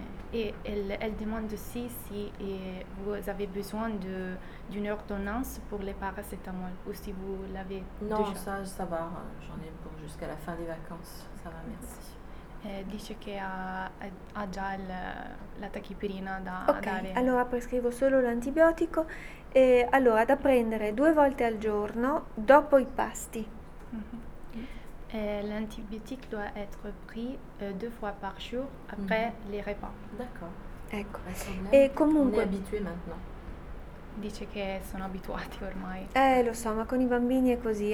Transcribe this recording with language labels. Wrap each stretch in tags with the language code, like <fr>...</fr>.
<fr>Et elle demande aussi si vous avez besoin d'une ordonnance pour les paracétamol ou si vous l'avez non, déjà. Non, ça va, j'en ai pour jusqu'à la fin des vacances, ça va, merci. Elle dit qu'elle a déjà la tachipirina da</fr> <it>dare. Ok, allora prescrivo solo l'antibiotico. Allora, da prendere due volte al giorno dopo i pasti.</it> <fr>L'antibiotique doit être pris deux fois par jour après les repas. D'accord.</fr> <it>Ecco. E comunque,</it> <fr>on est habitué maintenant.</fr> <it>Dice che sono abituati ormai. Lo so, ma con i bambini è così.</it>